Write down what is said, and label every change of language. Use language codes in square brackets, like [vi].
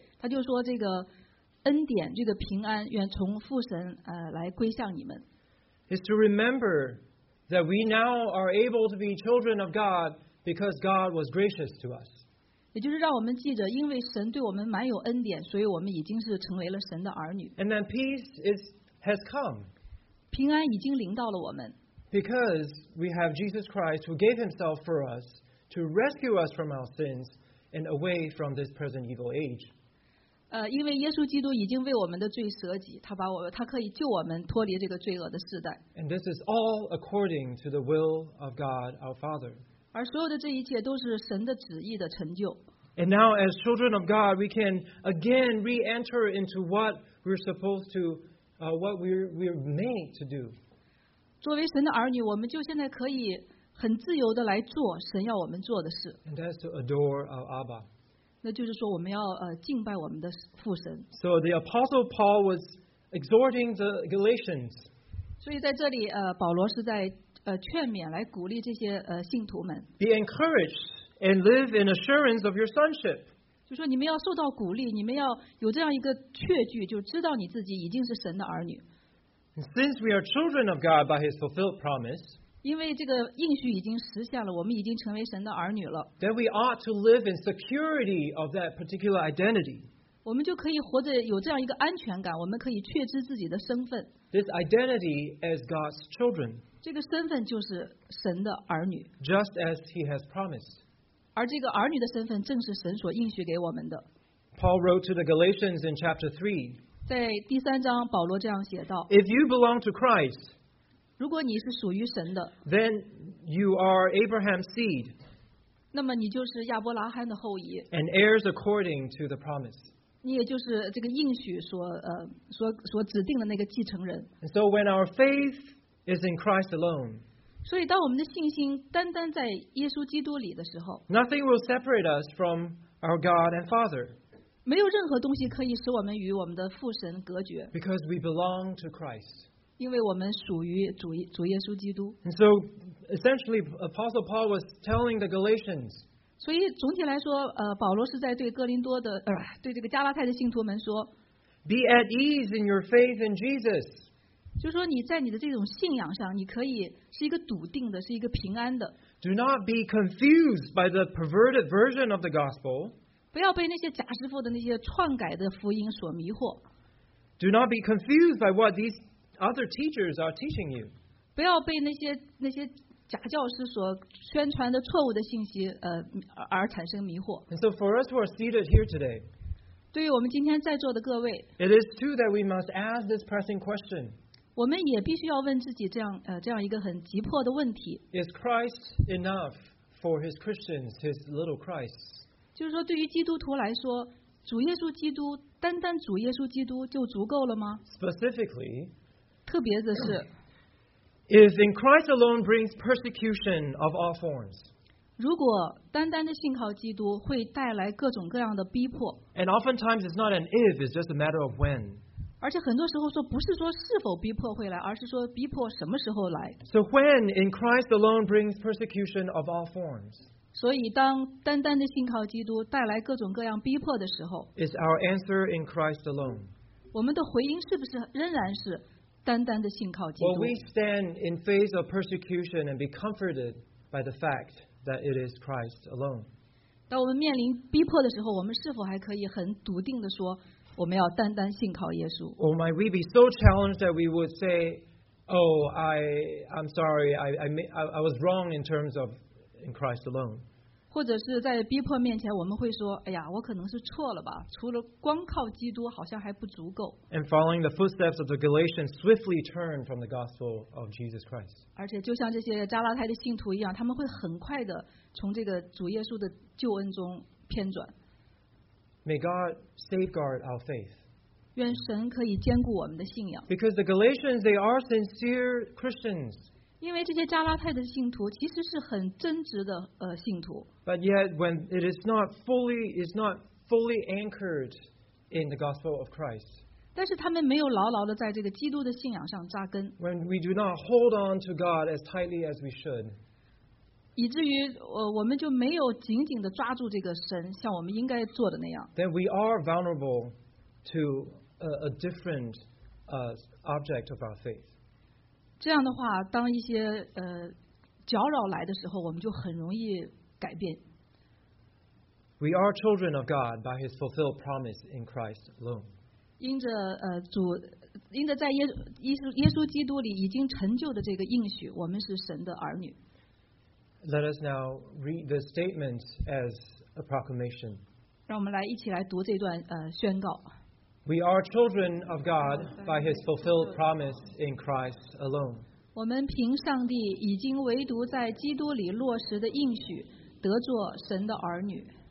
[zh] 他就说这个恩典，这个平安，愿从父神来归向你们。 [en] Is to remember. That we now are able to be children of God because God was gracious to us. [zh] 也就是让我们记着，因为神对我们满有恩典，所以我们已经是成为了神的儿女。 [en] And then peace has come. [zh] 平安已经临到了我们。 [en] Because we have Jesus Christ who gave himself for us to rescue us from our sins and away from this present evil age. [zh] 因为耶稣基督已经为我们的罪舍己，他可以救我们脱离这个罪恶的时代。 [en] And this is all according to the will of God our Father. [zh] 而所有的这一切都是神的旨意的成就。 [en] And now as children of God, we can again re-enter into what we're supposed to, what we're made to do. [zh] 作为神的儿女，我们就现在可以很自由地来做神要我们做的事。 [en] And that's to adore our Abba. [zh] 那就是说我们要敬拜我们的父神。 [en] So the Apostle Paul was exhorting the Galatians. [zh] 所以在这里保罗是在劝勉来鼓励这些信徒们。 [en] Be encouraged and live in assurance of your sonship. [zh] 就说你们要受到鼓励，你们要有这样一个确据，就知道你自己已经是神的儿女。 [en] Since we are children of God by his fulfilled promise, [zh] 因为这个应许已经实现了，我们已经成为神的儿女了。 [en] Then we ought to live in security of that particular identity. [zh] 我们就可以活着有这样一个安全感，我们可以确知自己的身份。 [en] This identity as God's children. [zh] 这个身份就是神的儿女。 [en] Just as he has promised. [zh] 而这个儿女的身份正是神所应许给我们的。 [en] Paul wrote to the Galatians in chapter 3. [zh] 在第三章保罗这样写道。 [en] If you belong to Christ, [zh] 如果你是属于神的 [en] then you are Abraham's seed, [zh] 那么你就是亚伯拉罕的后裔 [en] and heirs according to the promise. [zh] 你也就是这个应许所指定的那个继承人 [en] and so when our faith is in Christ alone, [zh] 所以当我们的信心单单在耶稣基督里的时候 [en] nothing will separate us from our God and Father. [zh] 没有任何东西可以使我们与我们的父神隔绝 [en] because we belong to Christ. [zh] 因为我们属于主耶稣基督。 [en] And so, essentially, Apostle Paul was telling the Galatians. [zh] 所以总体来说，保罗是在对哥林多的，对这个加拉太的信徒们说 [en] ，Be at ease in your faith in Jesus. [zh] 就说你在你的这种信仰上，你可以是一个笃定的，是一个平安的。 [en] Do not be confused by the perverted version of the gospel. [zh] 不要被那些假师傅的那些篡改的福音所迷惑。 [en] Do not be confused by what these Other teachers are teaching you. [zh] 不要被那些假教师所宣传的错误的信息而产生迷惑。 [en] And so for us who are seated here today, [zh] 对于我们今天在座的各位 [en] it is true that we must ask this pressing question. [zh] 我们也必须要问自己这样一个很急迫的问题。 [en] Is Christ enough for his Christians, his little Christ. [zh] 就是说对于基督徒来说，主耶稣基督，单单主耶稣基督就足够了吗？ [en] Specifically, [zh] 特别的是， [en] if in Christ alone brings persecution of all forms, [zh] 如果单单的信靠基督会带来各种各样的逼迫， [en] and oftentimes it's not an if, it's just a matter of when. [zh] 而且很多时候说不是说是否逼迫会来，而是说逼迫什么时候来。 [en] So when in Christ alone brings persecution of all forms, [zh] 所以当单单的信靠基督带来各种各样逼迫的时候， [en] is our answer in Christ alone? [zh] 我们的回应是不是仍然是单单的信靠基督？ [en] Well, we stand in face of persecution and be comforted by the fact that it is Christ alone. [zh] 当我们面临逼迫的时候，我们是否还可以很笃定的说？我们要单单信靠耶稣。 [en] Or might we be so challenged that we would say, "Oh, I'm sorry, I was wrong in terms of in Christ alone." [zh] 或者是在逼迫面前，我们会说，哎呀，我可能是错了吧？除了光靠基督，好像还不足够。 [en] And following the footsteps of the Galatians, swiftly turn from the gospel of Jesus Christ. [zh] 而且就像这些加拉太的信徒一样，他们会很快的从这个主耶稣的救恩中偏转。 [en] May God safeguard our faith. [zh] 愿神可以坚固我们的信仰。 [en] Because the Galatians, they are sincere Christians. [zh] 因为这些加拉太的信徒其实是很真挚的信徒。 [en] But yet, when it is not fully anchored in the gospel of Christ. [zh] 但是他们没有牢牢的在这个基督的信仰上扎根。 [en] When we do not hold on to God as tightly as we should. [zh] 以至于我们就没有紧紧地抓住这个神像我们应该做的那样。 [en] Then we are vulnerable to a different object of our faith. [zh] 这样的话，当一些搅扰来的时候，我们就很容易改变。 [en] We are children of God by His fulfilled promise in Christ alone. [zh] 因着主。因着在耶稣基督里已经成就的这个应许，我们是神的儿女。 [en] Let us now read the statement as a proclamation. [zh] 让我们来一起来读这段宣告。 [en] We are children of God by His fulfilled promise in Christ alone. [zh] 我们凭上帝已经唯独在基督里落实的应许，得作神的儿女。